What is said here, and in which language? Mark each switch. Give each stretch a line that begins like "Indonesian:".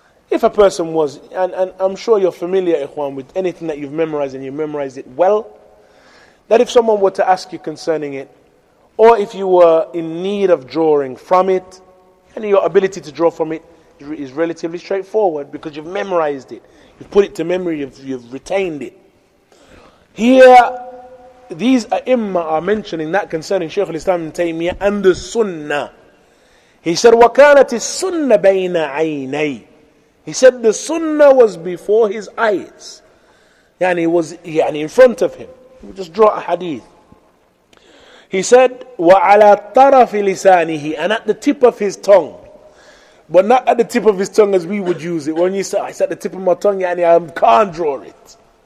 English: If a person was, and I'm sure you're familiar, ikhwan, with anything that you've memorized and you memorized it well, that if someone were to ask you concerning it, or if you were in need of drawing from it, and your ability to draw from it is relatively straightforward because you've memorized it, you've put it to memory, you've retained it. Here, these a'imma are mentioning that concerning Shaykh al-Islam ibn Taymiyyah and the sunnah. He said,
Arabic: وَكَانَتِ السُنَّةِ بَيْنَ عَيْنَيْ.
English: He said, the sunnah was before his eyes. Yani, it was yani in front of him. We just draw a hadith. He said,
Arabic: وَعَلَى طَرَفِ لِسَانِهِ,
English: and at the tip of his tongue. But not at the tip of his tongue as we would use it. When you say, it's at the tip of my tongue, yani I can't draw it.